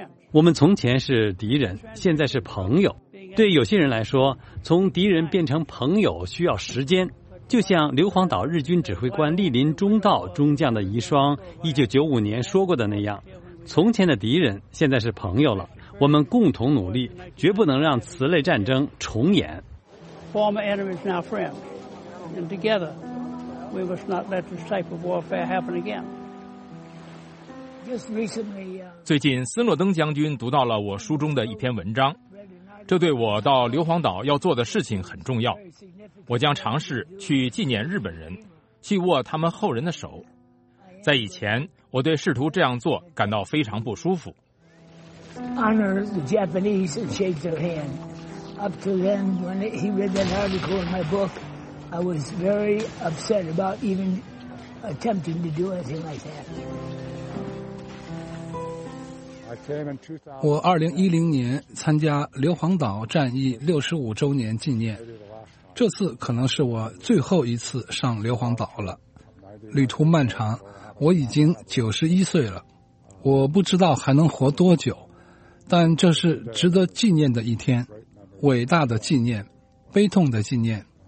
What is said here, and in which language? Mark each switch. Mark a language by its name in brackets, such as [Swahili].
[Chinese] 我们从前是敌人，现在是朋友。对有些人来说，从敌人变成朋友需要时间，就像硫磺岛日军指挥官莅临中道中将的遗孀1995年说过的那样，从前的敌人现在是朋友了，我们共同努力，绝不能让此类战争重演。 [English] Former enemies now friends, and together we must not let this type of warfare happen again. [Chinese] 最近斯诺登将军读到了我书中的一篇文章，这对我到硫磺岛要做的事情很重要。我将尝试去纪念日本人，去握他们后人的手。在以前，我对试图这样做感到非常不舒服。 [English] Honor the Japanese and shake their hand. Up to then, when he read that article in my book, I was very upset about even attempting to do anything like that. [Chinese] 我2010年参加硫磺岛战役65周年纪念，这次可能是我最后一次上硫磺岛了。旅途漫长，我已经91岁了，我不知道还能活多久，但这是值得纪念的一天，伟大的纪念，悲痛的纪念。